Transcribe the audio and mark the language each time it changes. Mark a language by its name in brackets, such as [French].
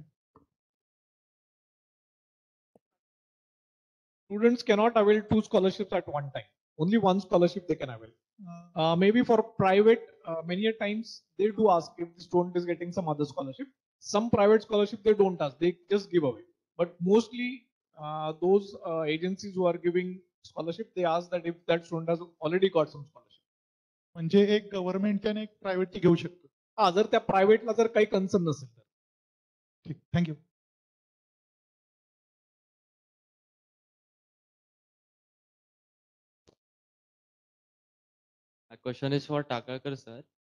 [English] Students cannot avail to scholarship at one time, only one scholarship they can avail. May be for private many a times they do ask if the student is getting some other scholarship. Some private scholarship they don't ask, they just give away. But mostly those agencies who are giving scholarship, they ask that if that student has already got some scholarship. [Marathi] म्हणजे एक government आणि एक private ची घेऊ शकतो. हा, जर त्या प्रायव्हेटला जर काही कन्सर्न नसेल तर. ठीक, थँक्यू. [English] हा question is for Takalkar sir.